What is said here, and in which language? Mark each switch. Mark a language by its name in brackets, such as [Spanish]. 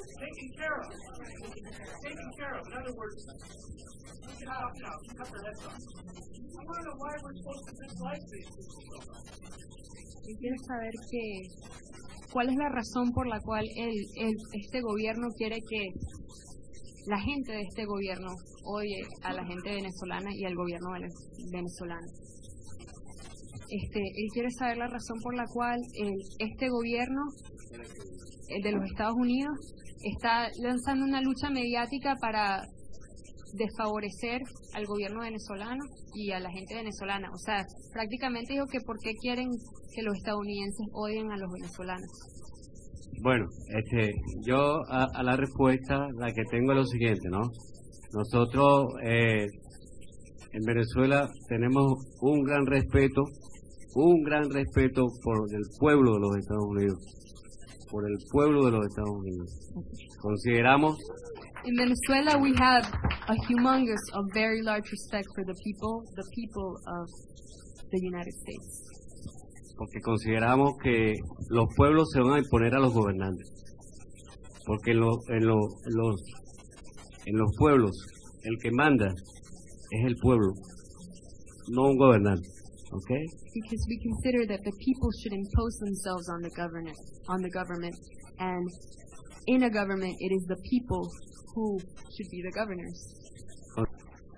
[English] Taking care of. In other words, we can cut their heads off. I wonder why we're supposed to dislike these people so much. You can't saber que. [Spanish] ¿Cuál es la razón por la cual este gobierno quiere que la gente de este gobierno odie a la gente venezolana y al gobierno venezolano? Él quiere saber la razón por la cual este gobierno, el de los Estados Unidos, está lanzando una lucha mediática para desfavorecer al gobierno venezolano y a la gente venezolana. O sea, prácticamente dijo que por qué quieren que los estadounidenses odien a los venezolanos. Bueno, yo a la respuesta la que tengo es lo siguiente, ¿no? Nosotros en Venezuela tenemos un gran respeto por el pueblo de los Estados Unidos, por el pueblo de los Estados Unidos. Consideramos. [English] In Venezuela, we have a very large respect for the people of the United States. [Spanish] Porque consideramos que los pueblos se van a imponer a los gobernantes. Porque en los pueblos, el que manda es el pueblo, no un gobernante. Okay? [English] Because we consider that the people should impose themselves on the government, and in a government, it is the people who should be the governors.